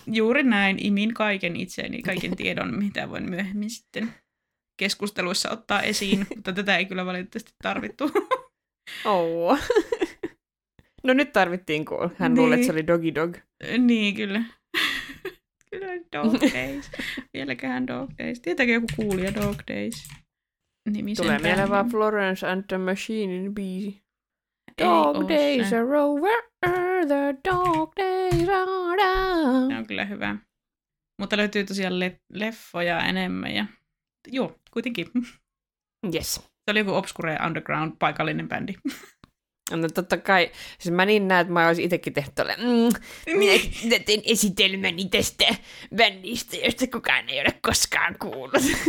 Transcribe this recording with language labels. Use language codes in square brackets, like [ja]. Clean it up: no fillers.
[fi] Juuri näin, imin kaiken itseeni, kaiken tiedon, mitä voin myöhemmin sitten keskusteluissa ottaa esiin, mutta tätä ei kyllä valitettavasti tarvittu. Oh. No nyt tarvittiin, kun hän niin. Luulet, että se oli Doggy Dog. Niin, kyllä. Kyllä Dog Days. Vieläköhän Dog Days. Tietääkö joku kuulija Dog Days? Tulee mieleen vaan Florence and the Machinein biisi. [en] Dog Days are over, the Dog Days are down. [fi] Se on kyllä hyvä. Mutta löytyy tosiaan leffoja enemmän. Ja... Joo, kuitenkin. [en] Yes. [fi] Se oli joku [en] obscure underground [fi] paikallinen bändi. No totta kai, siis mä niin näen, että mä olisin itsekin tehnyt tolle, minä teen esitelmäni tästä bändistä, josta kukaan ei ole koskaan kuullut.